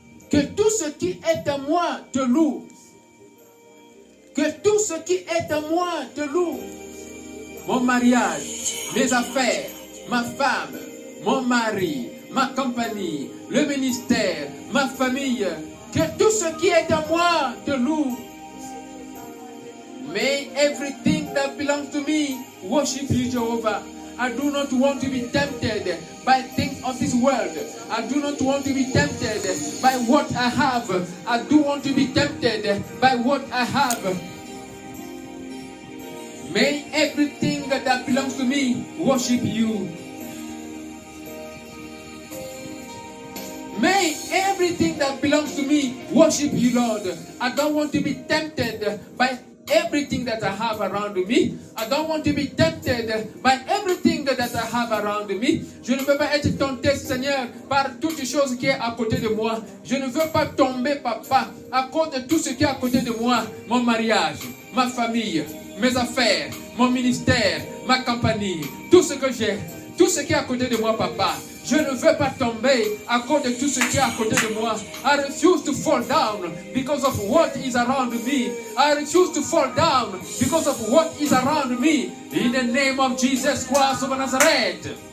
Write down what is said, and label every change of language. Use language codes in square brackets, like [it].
[fr] Que tout ce qui est à moi te loue. Que tout ce qui est à moi te loue. Mon mariage, mes affaires, ma femme, mon mari, ma compagnie, le ministère, ma famille. Que tout ce qui est à moi te loue. [en] May everything that belongs to me worship you, Jehovah. I do not want to be tempted by things of this world. I do not want to be tempted by what I have. I do want to be tempted by what I have. May everything that belongs to me worship you. May everything that belongs to me worship you, Lord. I don't want to be tempted by everything that I have around me. I don't want to be tempted by everything that I have around me. [fr] Je ne veux pas être tenté, Seigneur, par toutes les choses qui est à côté de moi. Je ne veux pas tomber, papa, à cause de tout ce qui est à côté de moi. Mon mariage, ma famille, mes affaires, mon ministère, ma compagnie, tout ce que j'ai, tout ce qui est à côté de moi, papa. Je ne veux pas tomber à cause de tout ce qui est à côté de moi. [en] I refuse to fall down because of what is around me. I refuse to fall down because of what is around me. In the name of Jesus Christ of Nazareth.